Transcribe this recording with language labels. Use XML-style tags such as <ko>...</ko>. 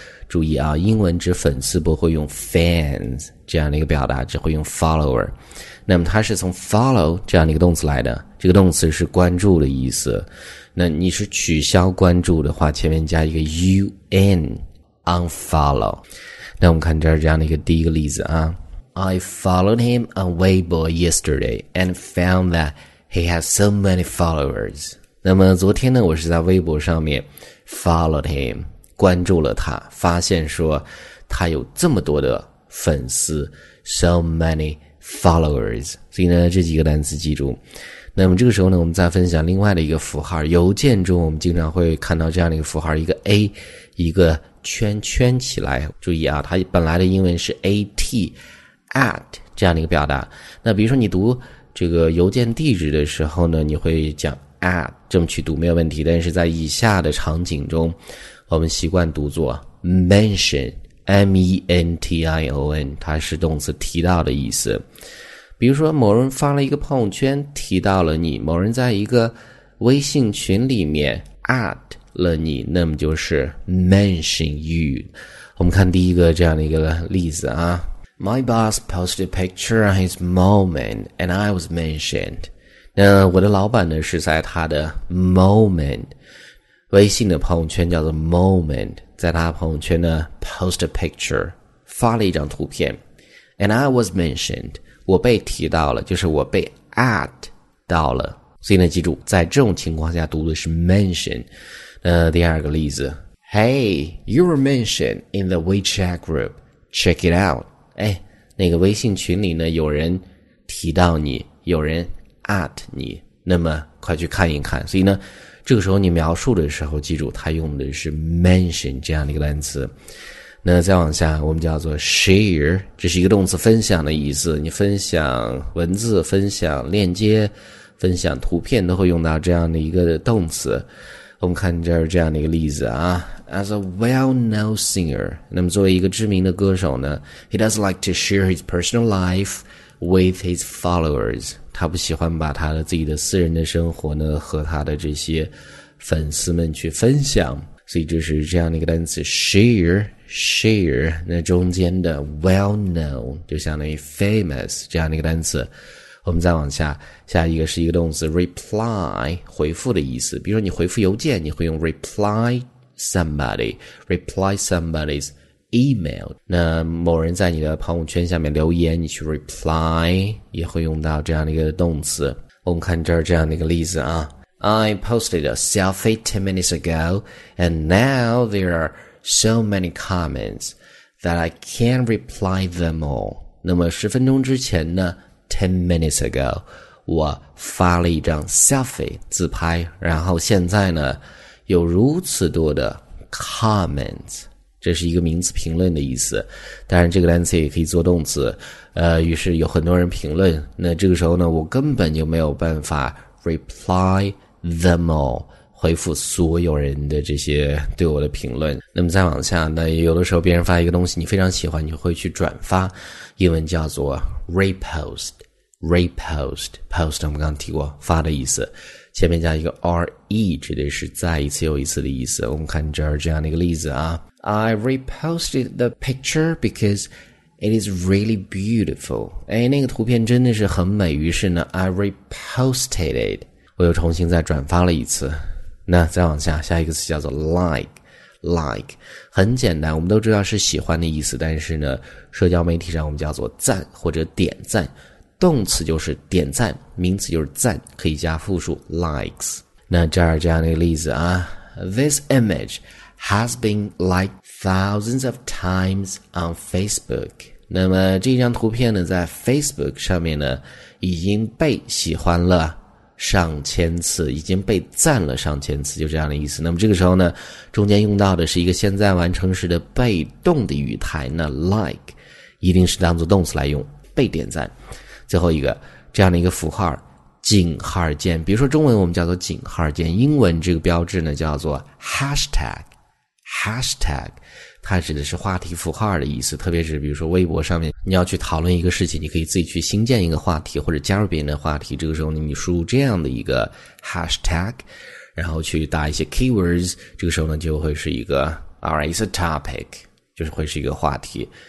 <zh>注意啊，英文指粉丝不会用 fans 这样的一个表达，只会用 follower。那么它是从 follow 这样的一个动词来的，这个动词是关注的意思。那你是取消关注的话，前面加一个 un，unfollow。那我们看这儿这样的一个第一个例子啊</zh> <en>，I followed him on Weibo yesterday and found that he has so many followers。</en> <zh>那么昨天呢，我是在微博上面</zh> <en>followed him。</en> <zh>关注了他，发现说他有这么多的粉丝 ，</zh> <en>so many followers。</en> <zh>所以呢，这几个单词记住。那么这个时候呢，我们再分享另外的一个符号。邮件中我们经常会看到这样的一个符号，一个 A， 一个圈圈起来。注意啊，它本来的英文是 AT，at 这样的一个表达。那比如说你读这个邮件地址的时候呢，你会讲 at 这么去读没有问题。但是在以下的场景中，我们习惯读作 mention，M-E-N-T-I-O-N， 它是动词提到的意思。比如说，某人发了一个朋友圈提到了你，某人在一个微信群里面 at 了你，那么就是</zh> <en>mention you。</en> <zh>我们看第一个这样的一个例子啊</zh> <en>，My boss posted a picture on his moment and I was mentioned。</en> <zh>那我的老板呢是在他的 moment。微信的朋友圈叫做 Moment， 在他朋友圈呢</zh> <en>post a picture，</en> <zh>发了一张图片 ，</zh> <en>and I was mentioned，</en> <zh>我被提到了，就是我被 at 到了。所以呢，记住，在这种情况下读的是 mention。第二个例子</zh> <en>，Hey， you were mentioned in the WeChat group， check it out。</en> <zh>哎，那个微信群里呢，有人提到你，有人 at 你，那么快去看一看。所以呢，这个时候你描述的时候，记住他用的是 mention 这样的一个单词。那再往下，我们叫做 share， 这是一个动词，分享的意思。你分享文字、分享链接、分享图片，都会用到这样的一个动词。我们看这儿这样的一个例子啊</zh> <en>，as a well-known singer，</en> <zh>那么作为一个知名的歌手呢</zh> <en>，he does like to share his personal life with his followers。</en> <zh>他不喜欢把他的自己的私人的生活呢和他的这些粉丝们去分享，所以就是这样的一个单词 share， 那中间的 well known 就相当于 famous 这样的一个单词。我们再往下，下一个是一个动词 reply， 回复的意思。比如说你回复邮件，你会用</zh> <en>reply somebody's email。</en> <zh>那某人在你的朋友圈下面留言，你去 reply 也会用到这样的一个动词。我们看这儿这样的一个例子啊</zh> <en>I posted a selfie 10 minutes ago and now there are so many comments that I can't reply them all。</en> <zh>那么十分钟之前呢</zh> <en>10 minutes ago</en> <zh>我发了一张 selfie 自拍，然后现在呢有如此多的 comments，这是一个名词评论的意思，当然这个单词也可以做动词。于是有很多人评论，那这个时候呢，我根本就没有办法</zh> <en>reply them all，</en> <zh>回复所有人的这些对我的评论。那么再往下，那有的时候别人发一个东西你非常喜欢，你会去转发，英文叫做 repost， 我们刚刚提过发的意思，前面加一个 re， 指的是再一次又一次的意思。我们看这儿这样的一个例子啊。</zh> <en>I reposted the picture because it is really beautiful。</en> <zh>哎，那个图片真的是很美，于是呢</zh> <en>I reposted it，</en> <zh>我又重新再转发了一次。那再往下，下一个词叫做 like， 很简单，我们都知道是喜欢的意思，但是呢社交媒体上我们叫做赞或者点赞，动词就是点赞，名词就是赞，可以加复数 likes。那这儿这样的例子啊</zh> <en>This imageHas been liked thousands of times on Facebook。</en> <zh>那么这张图片呢在 Facebook 上面呢已经被喜欢了上千次，已经被赞了上千次，就这样的意思。那么这个时候呢中间用到的是一个现在完成时的被动的语态，那 like 一定是当作动词来用，被点赞。最后一个这样的一个符号井号键，比如说中文我们叫做井号键，英文这个标志呢叫做 hashtag， 它指的是话题符号的意思，特别是比如说微博上面你要去讨论一个事情，你可以自己去新建一个话题或者加入别人的话题，这个时候你输入这样的一个 hashtag， 然后去打一些 keywords， 这个时候呢就会是一个</zh> <en>it's a topic，</en> <zh>就是会是一个话题。</zh>